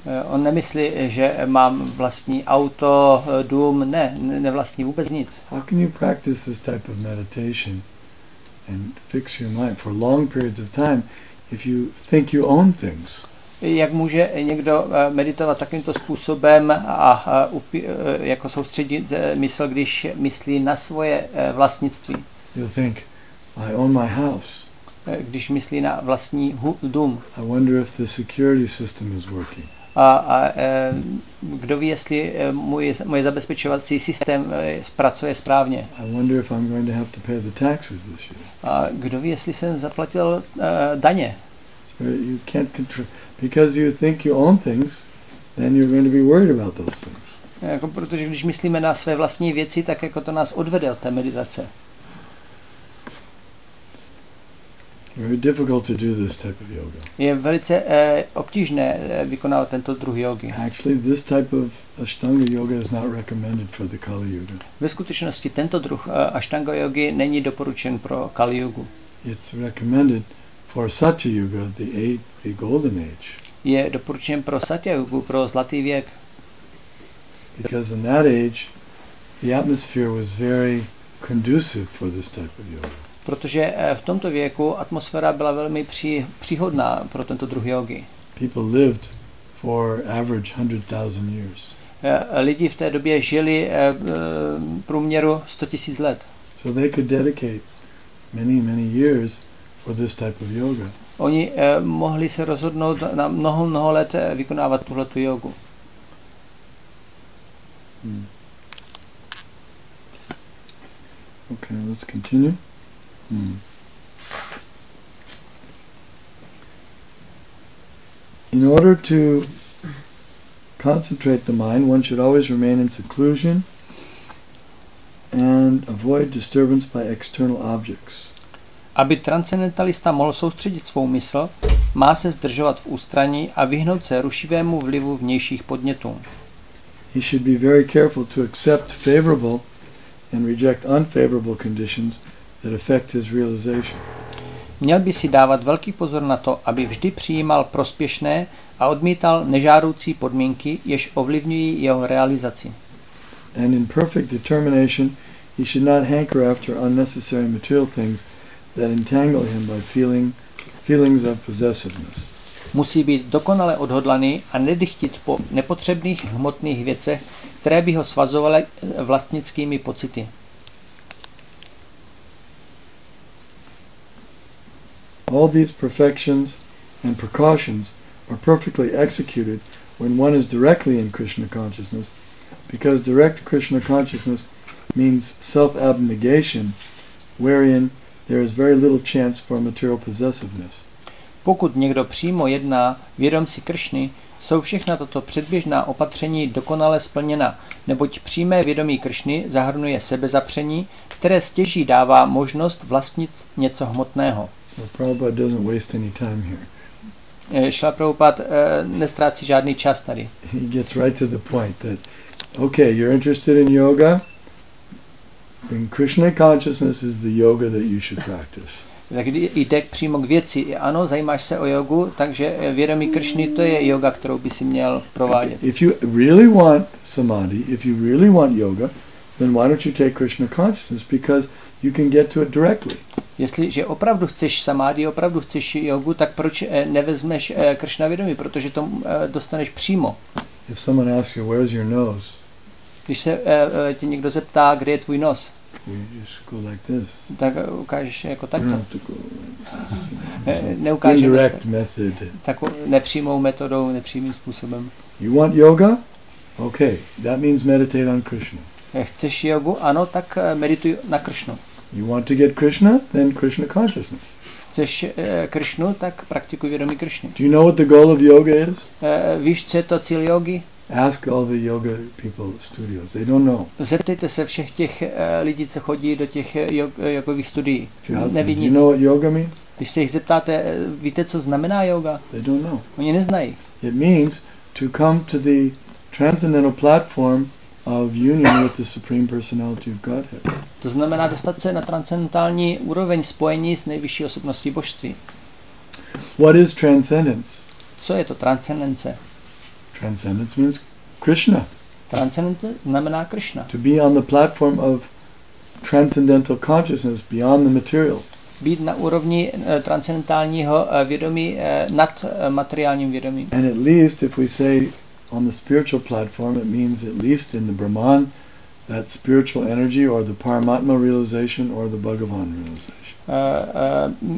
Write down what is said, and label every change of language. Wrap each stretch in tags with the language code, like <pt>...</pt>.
<cs>On nemyslí, že mám vlastní auto, dům, ne, nevlastní vůbec nic.</cs> <en>How can you practice this type of meditation and fix your mind for long periods of time if you think you own things?</en> <cs>jak může někdo meditovat takýmto způsobem a jako soustředit mysl, když myslí na svoje vlastnictví.</cs> <en>You'll think, I own my house.</en> <cs>Když myslí na vlastní dům.</cs> <en>I wonder if the security system is working.</en> <cs>A kdo ví, jestli můj zabezpečovací systém pracuje správně.</cs> <en>I wonder if I'm going to have to pay the taxes this year.</en> <cs>A kdo ví, jestli jsem zaplatil daně.</cs> <en>So you can't control, because you think you own things, then you're going to be worried about those things.</en> <cs>Jako protože když myslíme na své vlastní věci, tak jako to nás odvede od té meditace.</cs> <en>Very difficult to do this type of yoga.</en> <cs>Je velice obtížné vykonávat tento druh jógy.</cs> <en>Actually, this type of Ashtanga yoga is not recommended for the Kali yoga.</en> <cs>Ve skutečnosti tento druh Ashtanga yogi není doporučen pro Kali yogu.</cs> <en>It's recommended for Satya yoga, the golden age.</en> <cs>Je doporučen pro Satya yogu, pro zlatý věk.</cs> <en>Because in that age, the atmosphere was very conducive for this type of yoga.</en> <cs>Protože v tomto věku atmosféra byla velmi příhodná pro tento druh jógy.</cs> <en>People lived for average 100,000 years.</en> <cs>Lidi v té době žili průměru 100 000 let.</cs> <en>So they could dedicate many, many years for this type of yoga.</en> <cs>Oni mohli se rozhodnout na mnoho, mnoho let vykonávat tuhle tu jógu.</cs> <en>Okay, let's continue. In order to concentrate the mind, one should always remain in seclusion and avoid disturbance by external objects.</en> <cs>Aby transcendentalista mohl soustředit svou mysl, má se zdržovat v ústraní a vyhnout se rušivému vlivu vnějších podnětů.</cs> <en>He should be very careful to accept favorable and reject unfavorable conditions that affect his realization.</en> <cs>Měl by si dávat velký pozor na to, aby vždy přijímal prospěšné a odmítal nežádoucí podmínky, jež ovlivňují jeho realizaci.</cs> <en>And in perfect determination, he should not hanker after unnecessary material things that entangle him by feelings of possessiveness.</en> <cs>Musí být dokonale odhodlaný a nedychtit po nepotřebných hmotných věcech, které by ho svazovaly vlastnickými pocity.</cs> <en>All these perfections and precautions are perfectly executed when one is directly in Krishna consciousness, because direct Krishna consciousness means self-abnegation, wherein there is very little chance for material possessiveness.</en> <cs>Pokud někdo přímo jedná vědom si Krishny, jsou všechna tato předběžná opatření dokonale splněna, neboť přímé vědomí Krishny zahrnuje sebezapření, které stěží dává možnost vlastnit něco hmotného.</cs> <en>Well, Prabhupada doesn't waste any time here.</en> <cs>Srila Prabhupada neztrácí žádný čas tady.</cs> <en>He gets right to the point that, okay, you're interested in yoga, then Krishna consciousness is the yoga that you should practice.</en> <cs>Tak jde přímo k věci. Ano, zajímáš se o jogu, takže vědomí Krishny, to je yoga, kterou by si měl provádět.</cs> <en>If you really want samadhi, if you really want yoga, then why don't you take Krishna consciousness, because you can get to it directly.</en> <cs>Jestliže opravdu chceš samádhi, opravdu chceš jogu, tak proč nevezmeš Krishna vědomí, protože to dostaneš přímo.</cs> <en>If someone asks you, where is your nose?</en> <cs>Když se tě někdo zeptá, kde je tvůj nos?</cs> <en>You just go like this.</en> <cs>Tak ukážeš jako takto.</cs> <en>Like this, you know, so indirect method.</en> <cs>Takovou nepřímou metodou, nepřímým způsobem.</cs> <en>You want yoga? Okay, that means meditate on Krishna.</en> <cs>Chceš jogu? Ano, tak medituj na Krishnu.</cs> <en>You want to get Krishna? Then Krishna consciousness.</en> <cs>Chceš Krishnu, tak praktikuj vědomí Krishny.</cs> <en>Do you know what the goal of yoga is?</en> <cs>Víš, co je to cíl jógy?</cs> <en>Ask all the yoga people studios. They don't know.</en> <cs>Zeptejte se všech těch lidí, co chodí do těch jogových studií. Neví nic.</cs> <en>Do you know what yoga means?</en> <cs>Když se jich zeptáte, víte, co znamená yoga?</cs> <en>They don't know.</en> <cs>Oni neznají.</cs> <en>It means to come to the transcendental platform of union with the Supreme Personality of Godhead.</en> <cs>To znamená dostat se na transcendentální úroveň spojení s nejvyšší osobností božství.</cs> <en>What is transcendence?</en> <cs>Co je to transcendence?</cs> <en>Transcendence means Krishna.</en> <cs>Transcendence znamená Krishna.</cs> <en>To be on the platform of transcendental consciousness beyond the material.</en> <cs>být na úrovni transcendentálního vědomí nad materiálním vědomím.</cs> <en>And at least if we say on the spiritual platform, it means at least in the Brahman, that spiritual energy or the Paramatma realization or the Bhagavan realization.</en>